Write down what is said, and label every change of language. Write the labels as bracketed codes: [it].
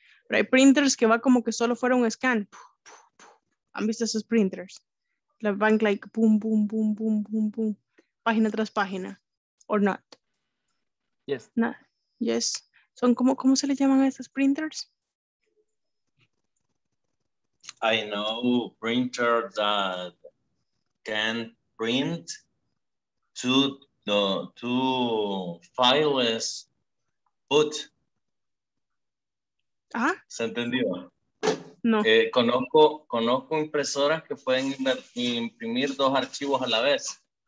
[es] Pero hay printers que va como que solo fuera un scan. ¿Han visto esos printers? La van [en] like boom, boom, boom, [es] boom, boom, boom. Página tras página. [en] Or not. Yes. Nah. Yes. [es] Son como, ¿cómo se le llaman a esos printers? [en] I know printer that can print two files, but. Ah. [es] ¿Se entendió? No. Conozco impresoras que pueden imprimir dos archivos a la vez.